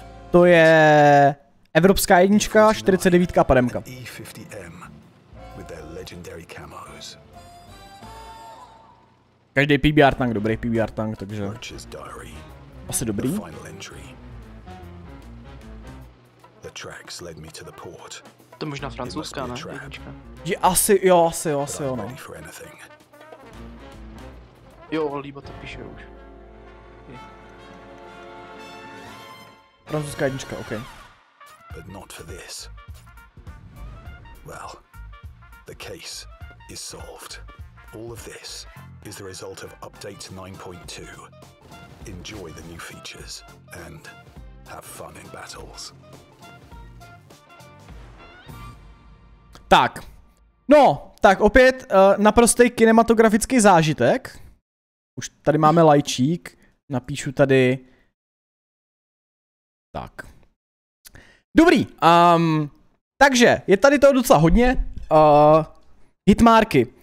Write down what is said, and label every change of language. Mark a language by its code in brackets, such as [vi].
[cs] To je evropská jednička, 49 a pademka. [en] E50M with their legendary camos. [cs] Každý PBR tank, dobrý PBR tank, takže asi dobrý. [en] The tracks led me to the port. [cs] To možná francouzská, ne? Je asi, jo, asi, jo, asi, jo, no. Jo, líbo to píše už. Francouzská jednička, okej. [en] But not for this. Well, the case is solved. All of this is the result of update 9.2. Enjoy the new features and have fun in battles. [cs] Tak. No, tak opět naprostej kinematografický zážitek. Už tady máme lajčík. Napíšu tady. Tak. Dobrý. Takže je tady toho docela hodně. Hitmarky.